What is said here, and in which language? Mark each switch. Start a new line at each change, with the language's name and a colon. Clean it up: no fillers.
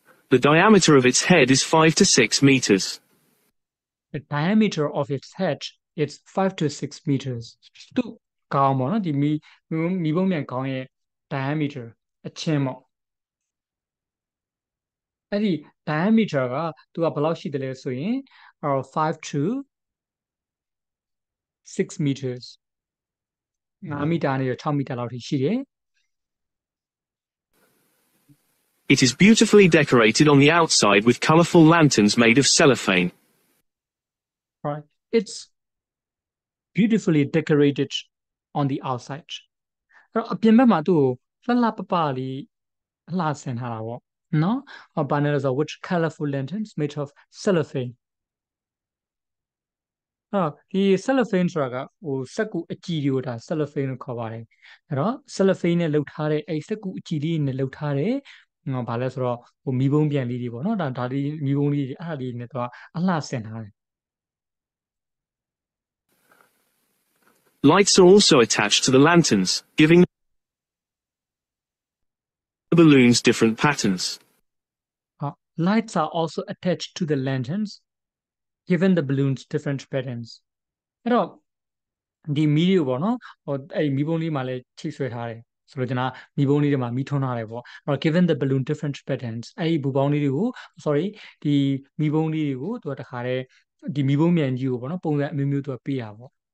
English: The diameter of its head is 5 to 6 meters. The diameter of its head is 5 to 6 meters.
Burmese: သူကောင်းပါတော့ဒီမိဘမြန်ကောင်းရဲ့ diameter အချင်းပေါ့အဲ့ဒီ diameter ကသူကဘယ်လောက်ရှိတယ်လဲဆိုရင်
English: 5 to 6 meters.
Burmese: 9 meter နဲ့6 meter လောက်ထိရှိတယ်.
English: It is beautifully decorated on the outside with colorful lanterns made of cellophane. Right. It's beautifully decorated on the outside.
Burmese: အဲ့တော့အပြင်ဘက်မှာသူ့ကိုလှလှပပလေးအလှဆင်ထားတာပေါ့နော်။
English: Banner is with colorful lanterns made of cellophane.
Burmese: အော်ဒီ cellophane ဆိုတာကဟိုစက်ကူအကြည်တွေကိုဒါ cellophane လို့ခေါ်ပါတယ်အဲ့တော့ cellophane နဲ့လုပ်ထားတဲ့အဲ့စက်ကူအကြည်လေးနဲ့လုပ်ထားတဲ့ငါဘာလဲဆိုတော့ဟိုမီဘုံပြန်လေးတွေပေါ့နော်ဒါဒီမီဘုံလေးတွေအဲ့ဒါလေးနဲ့သူကအလှဆင်ထားတယ်
English: Lights are also attached to the lanterns giving the balloons different patterns Lights are also attached to the lanternsgiving the balloons different patterns
Burmese: အဲ့တော့ဒီမီးလေးပေါ့နော်ဟိုအဲ့မီးဘုံလေးမှာလဲခြိတ်ဆွဲထားတယ်ဆိုတော့ကျွန်တော်မီးဘုံလေးတွေမှာမီးထွန်းထားတယ်ပေါ့အဲ့တော့
English: giving the balloon different patterns
Burmese: အဲ့ဒီဘူပေါင်းလေးတွေကို sorry ဒီမီးဘုံလေးတွေကိုသူကတခါတည်းဒီမီးဘုံမြန်ကြီးကိုပေါ့နော်ပုံစံအမျိုးမျိုးသူကပေးရပေါ့